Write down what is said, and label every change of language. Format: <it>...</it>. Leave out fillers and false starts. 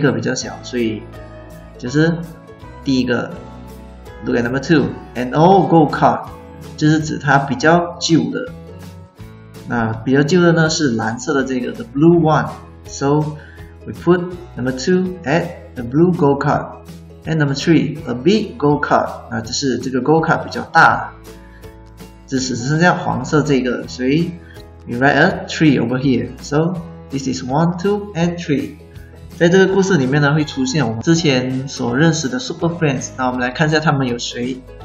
<zh>那我们就要在它的格子里面写上一号。那我们可以看到这边青色的这个比较小，所以就是第一个。</zh> <en>Look at number 2, an old go-kart,</en> <zh>就是指它比较旧的。那比较旧的呢是蓝色的这个</zh> <en>the blue one. So we put number 2 at the blue go-kart. And number 3, a big go-kart,</en> <zh>那就是这个 go-kart 比较大，只剩下黄色这个，所以</zh> <en>we write a 3 over here. So this is 1, 2, and 3.</en> <zh>在这个故事里面呢，会出现我们之前所认识的 super friends. 那我们来看一下他们有谁。</zh>